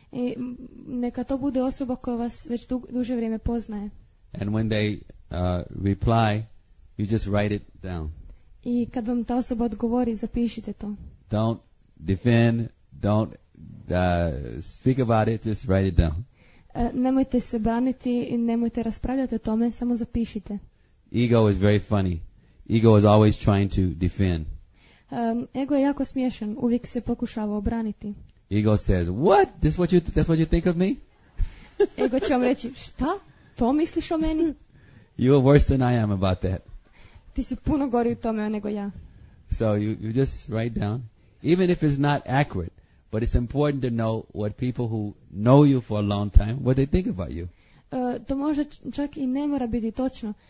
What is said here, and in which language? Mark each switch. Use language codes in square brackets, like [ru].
[hr] I neka to bude osoba koja vas već duže vrijeme poznaje. [en] And when they reply, you just write it down. [hr] I kad vam ta osoba odgovori, zapišite to. [en] Don't defend, don't speak about it, just write it down. [hr] Nemojte se braniti i nemojte raspravljati o tome, samo zapišite. [en] Ego is very funny. Ego is always trying to defend. [hr] Ego je jako smiješan, uvijek se pokušava obraniti. [en] Ego says, "What? This what you that's what you think of me?" [hr] Ego će vam reći, "Šta? To misliš o meni?" [en] You are worse than I am about that. [hr] Ti si puno gori u tome nego ja. [en] So you just write down, even if it's not accurate, but it's important to know what people who know you for a long time, what they think about you. [hr] To možda čak i ne mora biti točno.